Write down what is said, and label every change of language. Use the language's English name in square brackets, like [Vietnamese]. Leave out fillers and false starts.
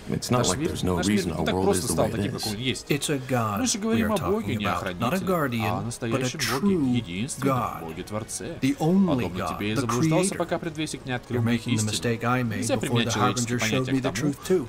[English] It's not like there's no reason our world is the way it is. It's a god. [Russian] Мы же говорим о боге, не о хранителе, [English] not a guardian, [Russian] а настоящем боге, единственном боге-творце. [English] The only god, the creator. [Russian] Пока предвестник не открыл истину. [English] You're making the mistake I made before the Harbinger showed me the truth too.